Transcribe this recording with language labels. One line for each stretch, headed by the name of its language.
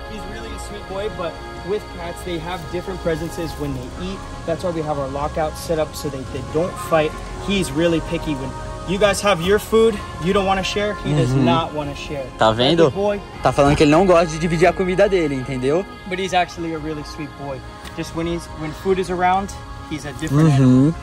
English: He's really a sweet boy, but with cats they have different presences when they eat. That's why we have our lockout set up so they don't fight. He's really picky. When you guys have your food, you don't want to share. He does not want to share.
Portuguese: Tá vendo? Tá falando que ele não gosta de dividir a comida dele, entendeu?
English: But he's actually a really sweet boy. Just when food is around, he's a different animal.